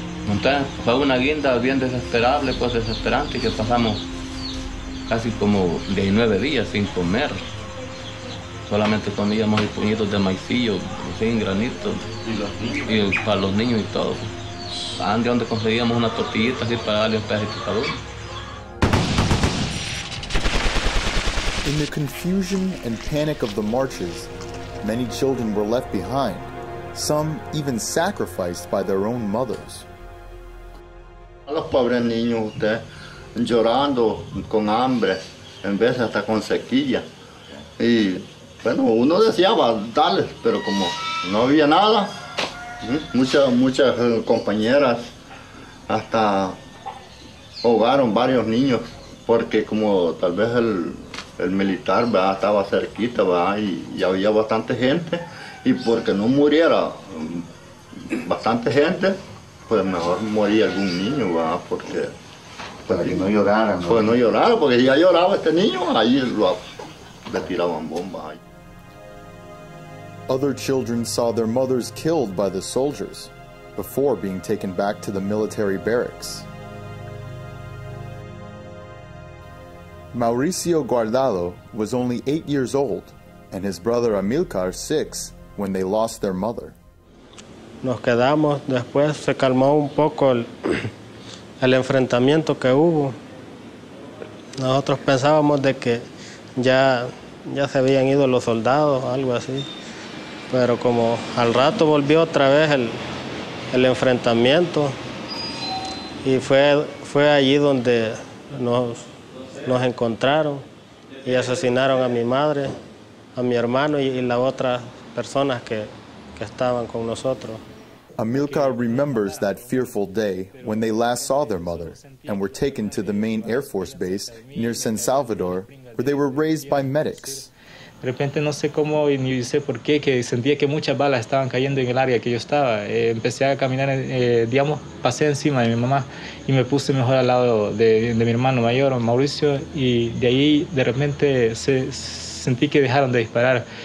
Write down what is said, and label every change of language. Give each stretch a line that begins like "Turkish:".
Spanish: Entonces fue una guinda bien desesperable, pues desesperante, que pasamos casi como 19 días sin comer. Solamente comíamos puñitos de maicillo, sin granito. ¿Y los niños? Y para los niños y todo. Ande donde conseguíamos una tortillita así para darle un pedacito a cada uno.
English: In the confusion and panic of the marches, many children were left behind, some even sacrificed by their own mothers.
Spanish: Los pobres niños, usted, llorando con hambre, en vez hasta con sequía. Y bueno, uno deseaba darles, pero como no había nada, muchas compañeras hasta ahogaron varios niños, porque como tal vez el militar, ¿verdad?, estaba cerquita, ¿verdad?, y había bastante gente, y porque no muriera bastante gente, pues mejor moría algún niño, ¿verdad?, porque... Para que no lloraran, ¿no? Pues no lloraran, porque si ya lloraba este niño, ahí le tiraban bombas.
English: Other children saw their mothers killed by the soldiers before being taken back to the military barracks. Mauricio Guardado was only 8 years old, and his brother Amilcar 6, when they lost their mother.
Spanish: Nos quedamos, después se calmó un poco el enfrentamiento que hubo. Nosotros pensábamos de que ya se habían ido los soldados, algo así. Pero como al rato volvió otra vez el enfrentamiento, y fue allí donde nos encontraron y asesinaron a mi madre, a mi hermano y las otras personas que estaban con nosotros.
English: Amilcar remembers that fearful day when they last saw their mother and were taken to the main Air Force base near San Salvador, where they were raised by medics.
Spanish: De repente no sé cómo y ni sé por qué, que sentía que muchas balas estaban cayendo en el área que yo estaba. Empecé a caminar, digamos, pasé encima de mi mamá y me puse mejor al lado de mi hermano mayor, Mauricio, y de ahí de repente sentí que dejaron de disparar.